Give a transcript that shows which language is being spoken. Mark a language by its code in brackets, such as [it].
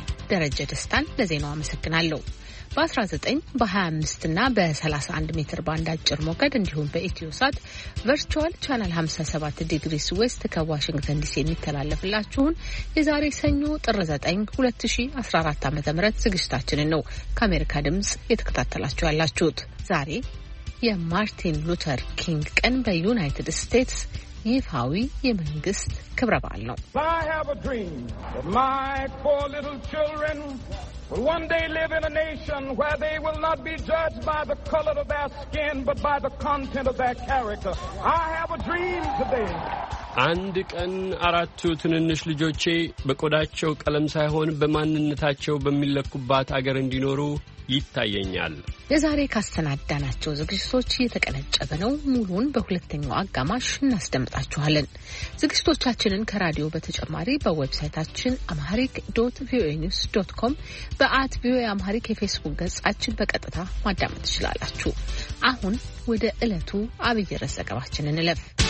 [am] ደረጀ ደስታን ለዜናው አመሰግናለሁ። በ19 በ25 እና በ31 ሜትር ባንድ አጭር ሞገድ እንዲሁም በኢትዮሳት ቨርቹዋል ቻናል 57 ዲግሪስ ዌስት ከዋሽንግተን ዲሲ የሚተላለፍላችሁን የዛሬ ሰኞ ጥር 9 2014 ዓ.ም ዝግጅታችንን ነው ከአሜሪካ ድምጽ እየተከታተላችሁ ያላችሁት። ዛሬ የማርቲን ሉተር ኪንግ ቀን በዩናይትድ ስቴትስ ይፋዊ የመንግስት ክብረ በዓል ነው። [en] I have a dream that my four little children will one day live in a nation where they will not be judged by the color of their skin but by the content of their character. I have a dream today. [am] አንድ ቀን አራቱ ትንንሽ ልጆቼ በቆዳቸው ቀለም ሳይሆን በማንነታቸው በሚለኩባት አገር እንዲኖሩ ይታየኛል። የዛሬ ካስተናዳናቸው ዝግጅቶች የተቀነጨበ ነው። ሙሉን በሁለተኛው አጋማሽ እናስደምጣችኋለን። ዝግጅቶቻችንን ከራዲዮ በተጨማሪ በዌብሳይታችን amharic.voanews.com @voanews የፌስቡክ ገጻችን በቀጥታ ማዳመጥ ትችላላችሁ። አሁን ወደ ዕለቱ አብይ ርዕስ ዘገባችን እንለፍ።